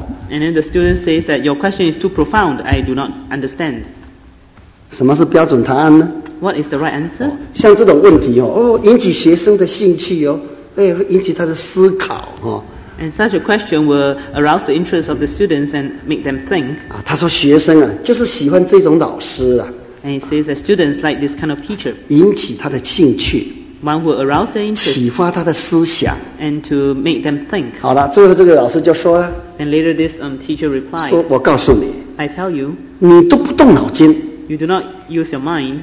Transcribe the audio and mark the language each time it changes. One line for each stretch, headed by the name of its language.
English: and then the student says that your question is too profound. I do not understand.
Chinese: 什么是标准答案呢?
English: What is the right answer?
Chinese: 像这种问题哦,引起学生的兴趣哦,引起他的思考哦。
English: And such a question will arouse the interest of the students and make them think.
Chinese: 他说学生啊,就是喜欢这种老师啊,
English: and he says that students like this kind of teacher.
Chinese: 引起他的兴趣,
English: one will arouse their interest.
Chinese: 启发他的思想,
English: and to make them think.
Chinese: 好了,最后这个老师就说了,
English: and later this teacher replied.
Chinese: 说,我告诉你,
English: I tell you.
Chinese: 你都不动脑筋,
English: you do not use your mind.